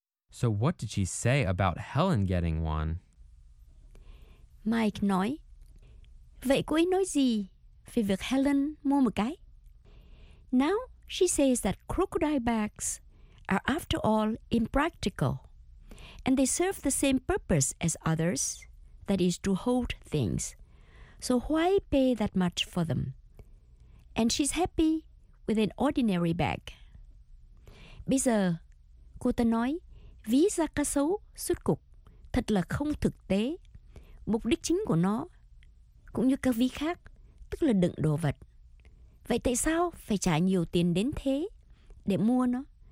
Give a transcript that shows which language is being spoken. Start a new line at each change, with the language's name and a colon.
English: So what did she say about Helen getting one?
Vietnamese: Mike nói, vậy cô ấy nói gì về việc Helen mua một cái?
English: Now she says that crocodile bags are after all impractical. And they serve the same purpose as others, that is to hold things. So why pay that much for them? And she's happy with an ordinary bag.
Vietnamese: Bây giờ, cô ta nói, ví da cá sấu, suốt cục, thật là không thực tế. Mục đích chính của nó, cũng như các ví khác, tức là đựng đồ vật. Vậy tại sao phải trả nhiều tiền đến thế để mua nó?